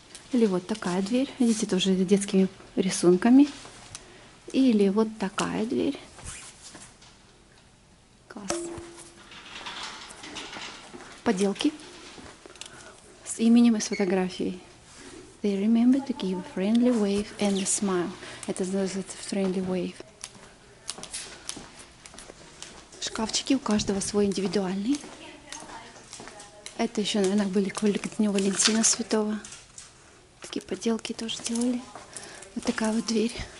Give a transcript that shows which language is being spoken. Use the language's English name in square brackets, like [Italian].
[Russian] Или вот такая дверь. Видите, тоже детскими рисунками. Или вот такая дверь. Класс. Поделки с именем и с фотографией. [English] They remember to give a friendly wave and a smile. [Russian] Это значит [English] friendly wave. [Russian] Шкафчики у каждого свой индивидуальный. Это еще, наверное, были к дню Валентина Святого. Такие поделки тоже делали. Вот такая вот дверь.